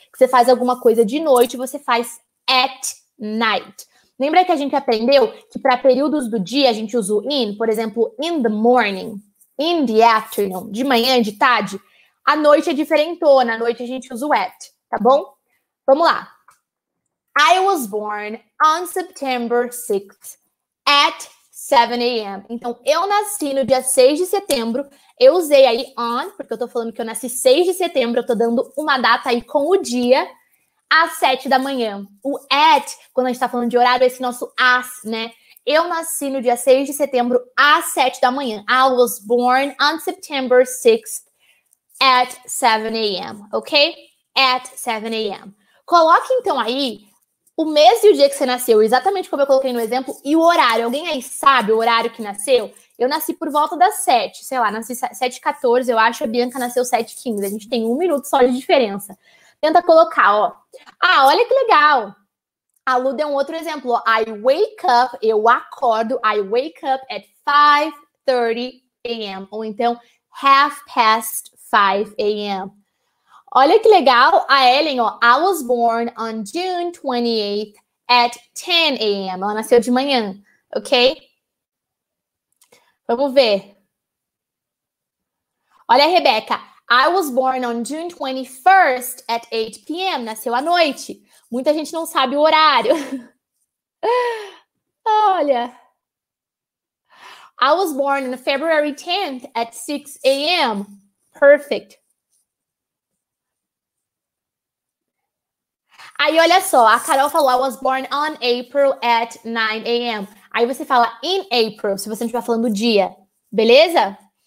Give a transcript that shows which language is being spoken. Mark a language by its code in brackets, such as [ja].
[pt] Que você faz alguma coisa de noite, você faz at night. Lembra que a gente aprendeu que para períodos do dia a gente usa o in, por exemplo, [en] in the morning, in the afternoon, [pt] de manhã, de tarde. A noite é diferentona, a noite a gente usa o at, tá bom? Vamos lá. [en] I was born on September 6th at 7 a.m. [pt] Então, eu nasci no dia 6 de setembro, eu usei aí on, porque eu tô falando que eu nasci 6 de setembro, eu tô dando uma data aí com o dia, às 7 da manhã. O at, quando a gente tá falando de horário, é esse nosso as, né? Eu nasci no dia 6 de setembro, às 7 da manhã. [en] I was born on September 6th at 7 a.m. Ok? At 7 a.m. [pt] Coloque, então, aí o mês e o dia que você nasceu, exatamente como eu coloquei no exemplo, e o horário. Alguém aí sabe o horário que nasceu? Eu nasci por volta das 7, sei lá, nasci 7h14, eu acho, a Bianca nasceu 7h15. A gente tem um minuto só de diferença. Tenta colocar, ó. Ah, olha que legal. A Lu deu um outro exemplo, ó. [en] I wake up, [pt] eu acordo, [en] I wake up at 5:30 a.m. [pt] Ou então, 5:30 a.m. Olha que legal, [en] a Ellen, ó, I was born on June 28th at 10 a.m. [pt] Ela nasceu de manhã, ok? Vamos ver. [en] Olha a Rebeca, I was born on June 21st at 8 p.m. [pt] Nasceu à noite. Muita gente não sabe o horário. Olha. [en] I was born on February 10th at 6 a.m. Perfect. [pt] Aí, olha só, a Carol falou, [en] I was born on April at 9 a.m. [pt] Aí você fala in April, se você não estiver falando dia, beleza?